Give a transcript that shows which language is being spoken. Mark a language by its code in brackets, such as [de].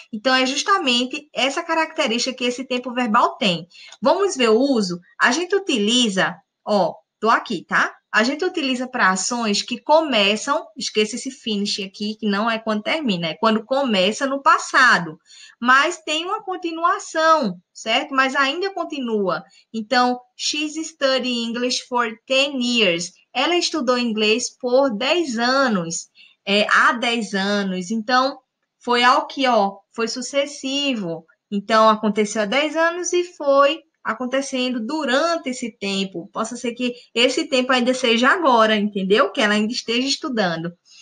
[pt] Então é justamente essa característica que esse tempo verbal tem. Vamos ver o uso? A gente utiliza, ó, tô aqui, tá? A gente utiliza para ações que começam, esqueça esse finish aqui, que não é quando termina, é quando começa no passado. Mas tem uma continuação, certo? Mas ainda continua. [en] Então, she's studying English for 10 years. [pt] Ela estudou inglês por 10 anos. Há 10 anos. Então, foi ao que, ó, foi sucessivo. Então, aconteceu há 10 anos e foi acontecendo durante esse tempo. Possa ser que esse tempo ainda seja agora, entendeu? Que ela ainda esteja estudando.